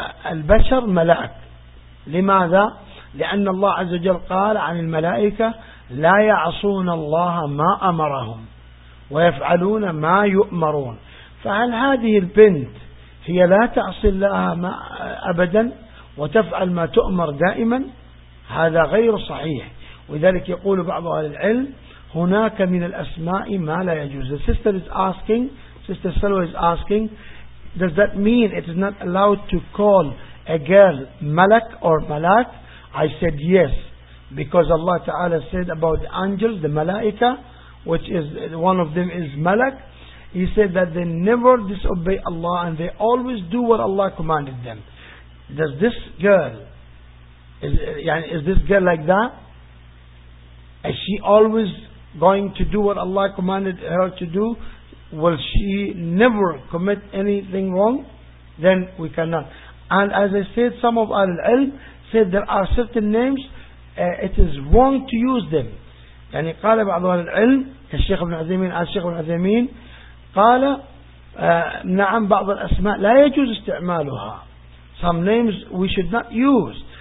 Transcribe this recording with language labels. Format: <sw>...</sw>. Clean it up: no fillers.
<ar>البشر ملائك. لماذا؟ لأن الله عز وجل قال عن الملائكة لا يعصون الله ما أمرهم ويفعلون ما يؤمرون. فهل هذه البنت هي لا تعصي الله أبدا وتفعل ما تؤمر دائما؟ هذا غير صحيح. وذلك يقول بعض أهل العلم هناك من الأسماء ما لا يجوز.</ar> <en>The sister is asking, Sister Salwa is asking, does that mean it is not allowed to call a girl Malak or Malak? I said yes, because Allah Ta'ala said about the angels, the Malaika, which is one of them is Malak. He said that they never disobey Allah and they always do what Allah commanded them. Does this girl, is this girl like that? Is she always going to do what Allah commanded her to do? Will she never commit anything wrong? Then we cannot. And as I said, some of Al-Ilm said there are certain names, it is wrong to use them.</en> <ar>يعني قال بعض العلم الشيخ ابن عثيمين الشيخ ابن عثيمين قال نعم بعض الأسماء لا يجوز استعمالها.</ar> <en>Some names we should not use.</en>